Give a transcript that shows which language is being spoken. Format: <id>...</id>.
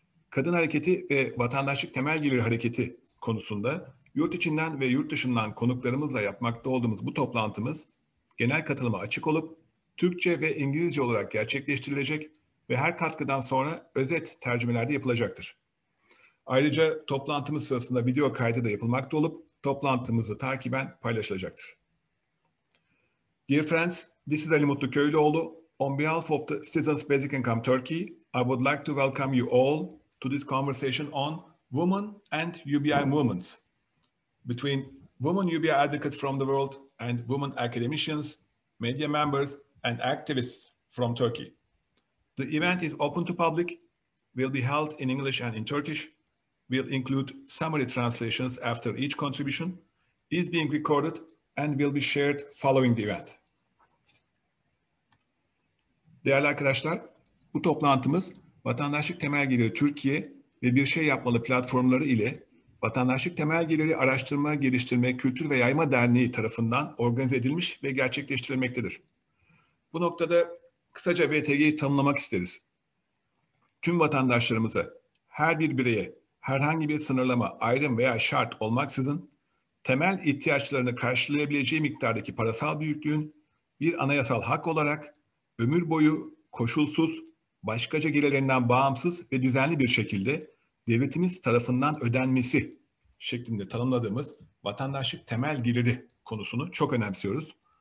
<tr>Kadın Hareketi ve Vatandaşlık Temel Geliri Hareketi konusunda yurt içinden ve yurt dışından konuklarımızla yapmakta olduğumuz bu toplantımız genel katılıma açık olup Türkçe ve İngilizce olarak gerçekleştirilecek ve her katkıdan sonra özet tercümelerde yapılacaktır. Ayrıca toplantımız sırasında video kaydı da yapılmakta olup toplantımızı takiben paylaşılacaktır.</tr> <en>Dear friends, this is Ali Mutlu Köylüoğlu. On behalf of the Citizens Basic Income Turkey, I would like to welcome you all to this conversation on women and UBI movements. Between women UBI advocates from the world and women academicians, media members and activists from Turkey. The event is open to public, will be held in English and in Turkish, will include summary translations after each contribution, is being recorded and will be shared following the event.</en> <tr>Değerli arkadaşlar, bu toplantımız Vatandaşlık Temel Geliri Türkiye ve Bir Şey Yapmalı platformları ile Vatandaşlık Temel Geliri Araştırma, Geliştirme, Kültür ve Yayma Derneği tarafından organize edilmiş ve gerçekleştirilmektedir. Bu noktada kısaca VTG'yi tanımlamak isteriz. Tüm vatandaşlarımıza, her bir bireye herhangi bir sınırlama, ayrım veya şart olmaksızın temel ihtiyaçlarını karşılayabileceği miktardaki parasal büyüklüğün bir anayasal hak olarak ömür boyu koşulsuz, başkaca gelirlerinden bağımsız ve düzenli bir şekilde devletimiz tarafından ödenmesi şeklinde tanımladığımız vatandaşlık temel geliri konusunu çok önemsiyoruz.</tr>